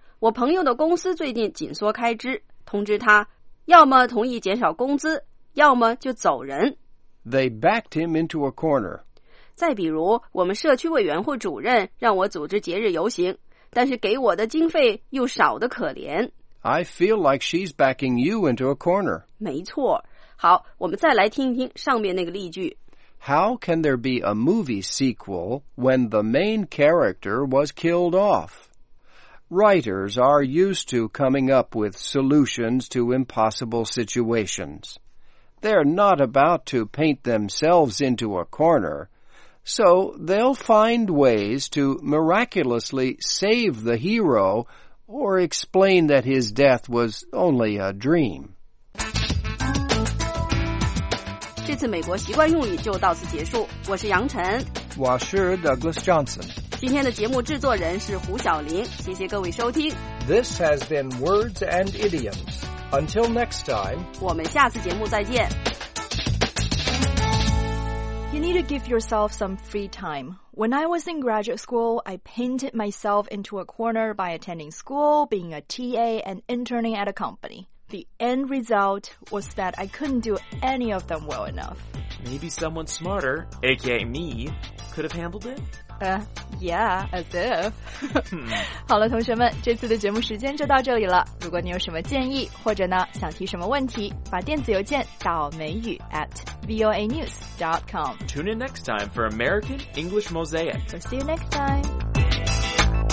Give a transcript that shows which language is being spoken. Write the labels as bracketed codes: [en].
[zh] 我朋友的公司最近紧缩开支，通知他要么同意减少工资，要么就走人。 [en] They backed him into a corner. [zh] 再比如，我们社区委员会主任让我组织节日游行，但是给我的经费又少得可怜。 [en] I feel like she's backing you into a corner. [zh] 没错。好，我们再来听一听上面那个例句。 [en] How can there be a movie sequel when the main character was killed off? Writers are used to coming up with solutions to impossible situations. They're not about to paint themselves into a corner, so they'll find ways to miraculously save the hero or explain that his death was only a dream. [zh] 这次美国习惯用语就到此结束。我是杨晨，我是 Douglas Johnson。今天的节目制作人是胡晓林，谢谢各位收听。 [en] This has been Words and Idioms. Until next time, [zh] 我们下次节目再见。 [en] You need to give yourself some free time. When I was in graduate school, I painted myself into a corner by attending school, being a TA, and interning at a company. The end result was that I couldn't do any of them well enough. Maybe someone smarter, aka me, could have handled it? Yeah, as if. [zh] 好了，同学们，这次的节目时间就到这里了。如果你有什么建议，或者呢想提什么问题，把电子邮件到美语@voanews.com. [en] Tune in next time for American English Mosaic. So see you next time.